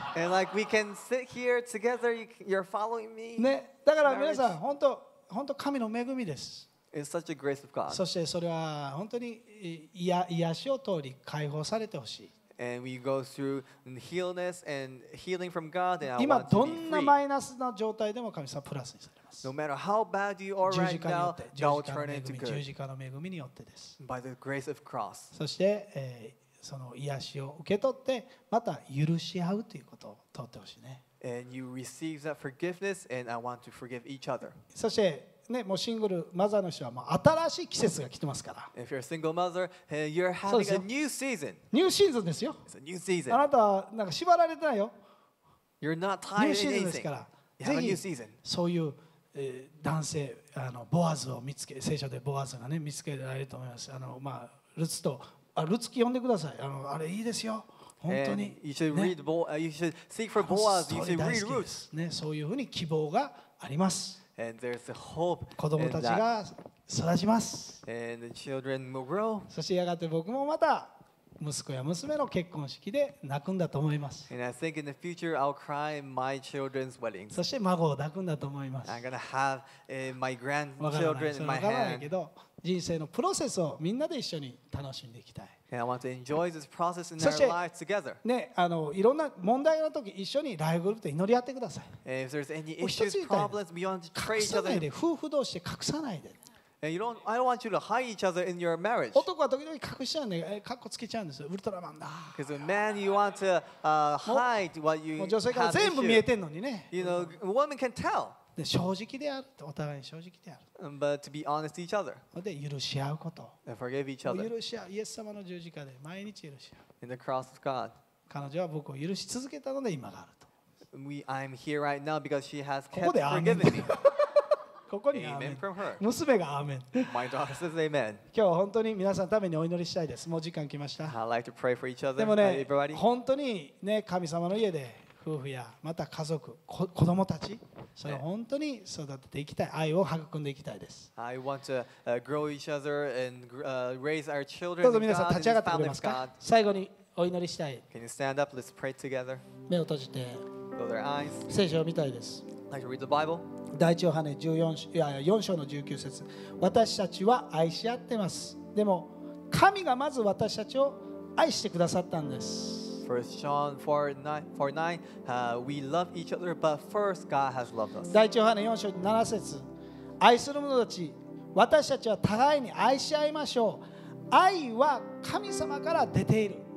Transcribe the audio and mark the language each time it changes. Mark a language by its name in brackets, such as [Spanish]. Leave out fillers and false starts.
[English] And like we can sit here together, you're following me. [Japanese] ね、だから皆さん本当神の恵みです。 [English] It's such a grace of God. [Japanese] そしてそれは本当に癒しを通り解放されてほしい。 [English] And we go through healness and healing from God. And I want to be free. [Japanese] 今どんなマイナスな状態でも神様プラスにされます。 [English] No matter how bad you are right now, God will turn into good. [Japanese] 十字架の恵みによってです。 [English] By the grace of cross. [Japanese] そして、その癒しを受け取ってまた許し合うということを通ってほしいね。 [English] And you receive that forgiveness, and I want to forgive each other. [Japanese] そしてね、もうシングルマザーの人はもう新しい季節が来てますから。 [English] If you're a single mother, you're having a new season. [Japanese] ニューシーズンですよ。 [English] It's a new season. [Japanese] あなたはなんか縛られてないよ。 [English] You're not tied anything. [Japanese] ニューシーズンですから。 [English] You have a new season. [Japanese] そういう、男性あのボアズを見つけ、聖書でボアズがね見つけられると思います。あのまあルツとあルツキ呼んでください。あのあれいいですよ。本当に。 [English] You should read you should seek for Boaz. You should read Ruth. [Japanese] ね、そういうふうに希望があります。 [English] And there's a hope. [Japanese] 子供たちが育ちます。 [English] And the children will grow. [Japanese] そしてやがて僕もまた息子や娘の結婚式で泣くんだと思います。 [English] And I think in the future I'll cry in my children's wedding. [Japanese] そして孫を抱くんだと思います。 [English] I'm gonna have my grandchildren in my hand. [Japanese] 人生のプロセスをみんなで一緒に楽しんでいきたい。 [English] And I want to enjoy this process in our life together. [Japanese] ね、あのいろんな問題の時一緒にライブグループで祈り合ってください。 [English] If there's any issues, problems, we want to pray together. [Japanese] 隠さないで、夫婦同士で隠さないで。 [English] And you don't, I don't want you to hide each other in your marriage. [Japanese] 男は時々隠しちゃうね。カッコつけちゃうんです。ウルトラマンだ。 [English] Because a man, you want to hide what you have. [Japanese] 女性から全部見えてんのにね。 [English] You know, a woman can tell. [Japanese] で正直である。お互いに正直である。 [English] But to be honest to each other. [Japanese] で許し合うこと。 [English] And forgive each other. [Japanese] 許し合う。イエス様の十字架で毎日許し合う。 [English] In the cross of God. [Japanese] 彼女は僕を許し続けたので今がある。 [English] I'm here right now because she has kept forgiving me. [Japanese] ここにアーメン。娘がアーメン。 [English] My daughter says amen. [Japanese] 今日本当に皆さんのためにお祈りしたいです。もう時間来ました。 [English] I'd like to pray for each other. [Japanese] でもね、本当にね、神様の家で夫婦やまた家族、子供たち、それを本当に育てていきたい、愛を育んでいきたいです。 [English] I want to grow each other and raise our children. [Japanese] どうぞ皆さん立ち上がってくれますか。最後にお祈りしたい。 [English] Can you stand up? Let's pray together. [Japanese] 目を閉じて。聖書を見たいです。第一ヨハネ4章の19節、私たちは愛し合ってます。でも神がまず私たちを愛してくださったんです。 [English] First John 4:9, we love each other, but first God has loved us. [Japanese] 第一ヨハネ4章7節、愛する者たち、私たちは互いに愛し合いましょう。愛は神様から出ている。